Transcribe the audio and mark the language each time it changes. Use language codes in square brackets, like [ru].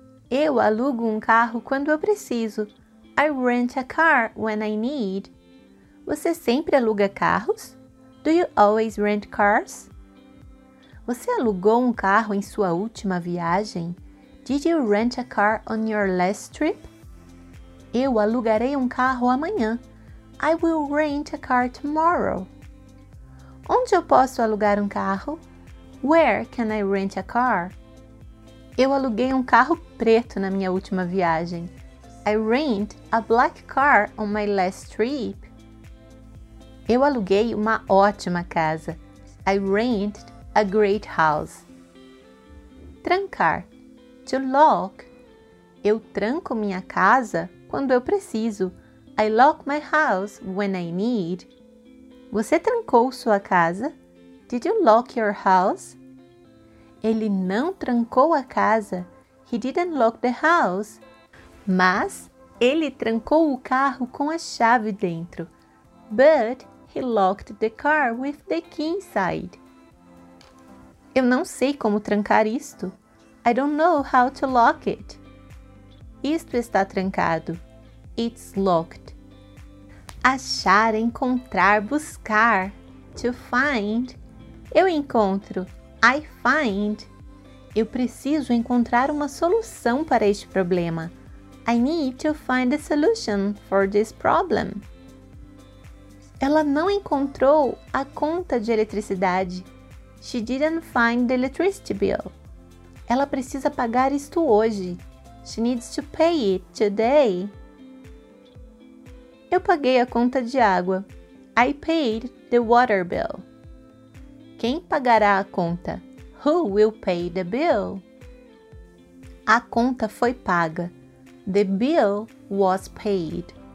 [pt] Eu alugo carro quando eu preciso. [en] I rent a car when I need. [pt] Você sempre aluga carros? [en] Do you always rent cars? [pt] Você alugou carro em sua última viagem? [en] Did you rent a car on your last trip? [pt] Eu alugarei carro amanhã. [en] I will rent a car tomorrow. [pt] Onde eu posso alugar carro? [en] Where can I rent a car? [pt] Eu aluguei carro preto na minha última viagem. [en] I rent a black car on my last trip. [pt] Eu aluguei ótima casa. [en] I rented a great house. [pt] Trancar. [en] To lock. [pt] Eu tranco minha casa quando eu preciso. [en] I lock my house when I need. [pt] Você trancou sua casa? [en] Did you lock your house? [pt] Ele não trancou a casa. [en] He didn't lock the house. [pt] Mas ele trancou o carro com a chave dentro. [en] But he locked the car with the key inside. [pt] Eu não sei como trancar isto. [en] I don't know how to lock it. [pt] Isto está trancado. [en] It's locked. [pt] Achar, encontrar, buscar. [en] To find. [pt] Eu encontro. [en] I find. [pt] Eu preciso encontrar uma solução para este problema. [en] I need to find a solution for this problem. [pt] Ela não encontrou a conta de eletricidade. [en] She didn't find the electricity bill. [pt] Ela precisa pagar isto hoje. [en] She needs to pay it today. [pt] Eu paguei a conta de água. [en] I paid the water bill. [pt] Quem pagará a conta? [en] Who will pay the bill? [pt] A conta foi paga. [en] The bill was paid.